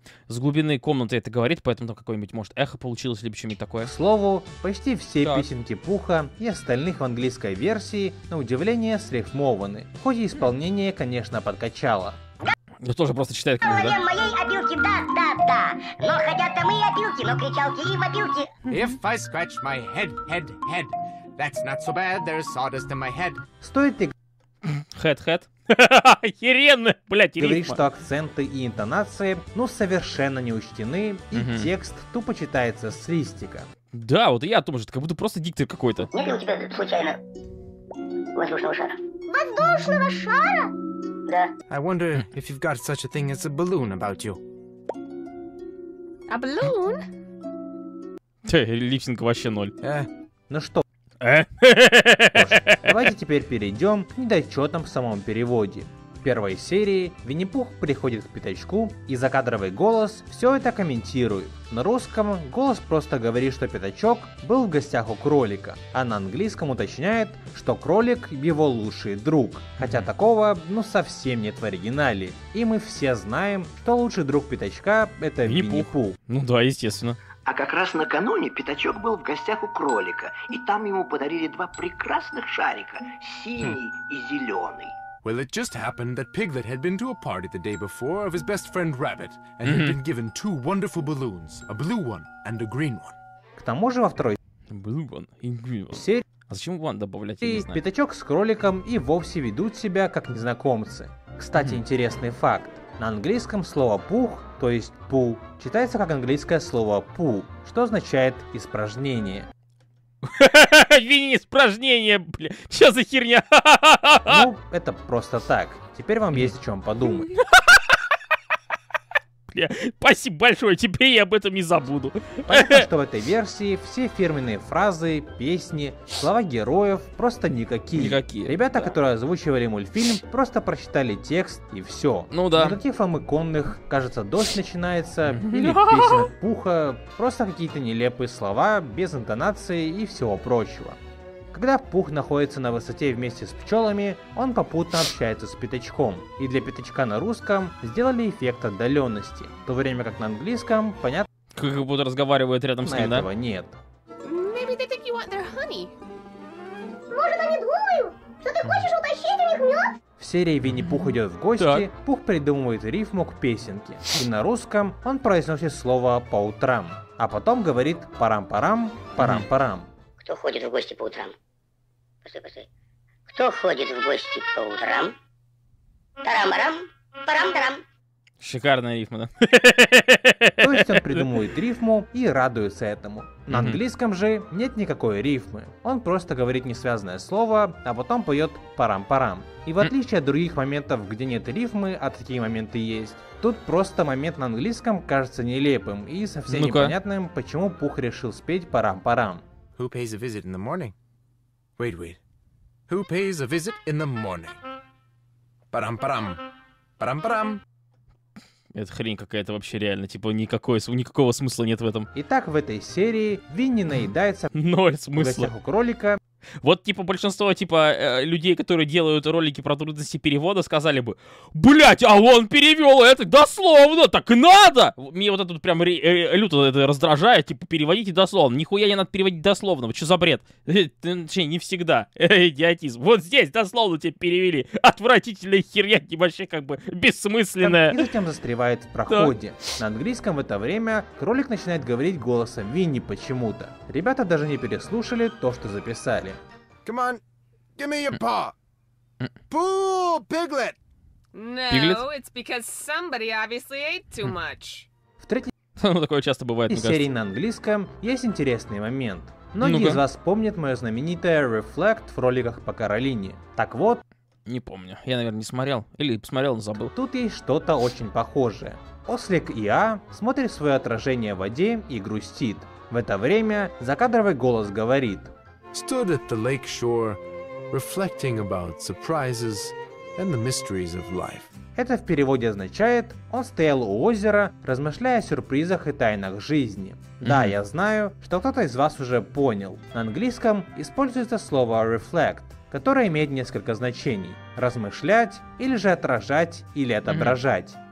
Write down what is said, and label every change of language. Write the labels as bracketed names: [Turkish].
[Russian] С глубины комнаты это говорит, поэтому там какое-нибудь, может, эхо получилось, либо что-нибудь такое. К слову, почти все песенки Пуха и остальных в английской версии, на удивление, срифмованы. Хоть и исполнение, конечно, подкачало. Я тоже просто читаю книгу, да? Моей обилки, да, да, да. Но хотят-то мы обилки, но кричалки и в обилке. [English] If I scratch my head, head, head, that's not so bad, there's sawdust in my head. [Russian] Стоит ли... [English] Head, head. [Russian] Херенно, блять, рифма. Говорит, что акценты и интонации, ну, совершенно не учтены, и текст тупо читается с листика. Да, вот и я о том же, как будто просто диктор какой-то. Нет ли у тебя, случайно, воздушного шара? Воздушного шара? Да. [English] I wonder if you've got such a thing as a balloon about you. A balloon? [Russian] Липсинг вообще ноль. Ну что? Давайте теперь перейдем к недочетам в самом переводе. В первой серии Винни-Пух приходит к пятачку и закадровый голос все это комментирует. На русском голос просто говорит, что пятачок был в гостях у кролика, а на английском уточняет, что кролик его лучший друг. Хотя такого, ну, совсем нет в оригинале. И мы все знаем, что лучший друг пятачка это Винни-Пух. Ну да, естественно. А как раз накануне пятачок был в гостях у кролика, и там ему подарили два прекрасных шарика, синий и зеленый. [English] Well, it just happened that Piglet had been to a party the day before of his best friend Rabbit, and he'd been given two wonderful balloons, a blue one and a green one. [Russian] К тому же во второй... [English] Blue one and green one. [Russian] Серии... А зачем one добавлять, я не знаю. И пятачок с кроликом и вовсе ведут себя как незнакомцы. Кстати, интересный факт. На английском слово «пух», то есть «пу», читается как английское слово «пу», что означает «испражнение». Винни, испражнение, бля, что за херня? Ну, это просто так. Теперь вам есть о чем подумать. капля. Спасибо большое, теперь я об этом не забуду. Понятно, что в этой версии все фирменные фразы, песни, слова героев просто никакие. Никакие. Ребята, да, которые озвучивали мультфильм, просто прочитали текст и все. Ну да. Никаких вам иконных, кажется, дождь начинается, или песен пуха, просто какие-то нелепые слова, без интонации и всего прочего. Когда пух находится на высоте вместе с пчелами, он попутно общается с пятачком. И для пятачка на русском сделали эффект отдаленности. В то время как на английском, понятно... Как будто разговаривают рядом с ним, этого, Этого нет. [English] Maybe they think you want their honey. [Russian] Может, они думают, что ты хочешь утащить у них мед? В серии Винни-Пух идет в гости, так. Пух придумывает рифму к песенке. И на русском он произносит слово «по утрам». А потом говорит «парам-парам, парам-парам». Кто ходит в гости по утрам? Постой. Кто ходит в гости по утрам? Тарам-арам, парам-тарам. Шикарная рифма, да? То есть он придумывает рифму и радуется этому. На английском же нет никакой рифмы. Он просто говорит несвязанное слово, а потом поет парам-парам. И в отличие от других моментов, где нет рифмы, а такие моменты есть, тут просто момент на английском кажется нелепым и совсем непонятным, почему Пух решил спеть парам-парам. [English] Who pays a visit in the morning? Wait. Who pays a visit in the morning? [Russian] Парам-парам. Парам-парам. Это хрень какая-то вообще реально. Типа никакого смысла нет в этом. Итак, в этой серии Винни наедается... Ноль смысла. ...у кролика. Вот типа большинство типа людей, которые делают ролики про трудности перевода, сказали бы: «Блядь, а он перевел это дословно, так надо!» Мне вот это прям люто это раздражает, типа переводите дословно. Нихуя не надо переводить дословно, вот что за бред? Точнее, не всегда. Идиотизм. Вот здесь дословно тебе перевели. Отвратительная херня, вообще как бы бессмысленная. И затем застревает в проходе. На английском в это время кролик начинает говорить голосом Винни почему-то. Ребята даже не переслушали то, что записали. [English] Come on, give me your paw. Pooh, piglet. No, it's because somebody obviously ate too much. [Russian] В третьей... такое часто бывает, мне кажется. ...серии на английском есть интересный момент. Многие из вас помнят мое знаменитое Reflect в роликах по Каролине. Так вот... Не помню. Я, наверное, не смотрел. Или посмотрел, но забыл. Тут есть что-то очень похожее. Ослик Иа смотрит свое отражение в воде и грустит. В это время закадровый голос говорит... [English] Stood at the lake shore, reflecting about surprises and the mysteries of life. [Russian] Это в переводе означает: он стоял у озера, размышляя о сюрпризах и тайнах жизни. Да, я знаю, что кто-то из вас уже понял. На английском используется слово reflect, которое имеет несколько значений: размышлять, или же отражать, или отображать.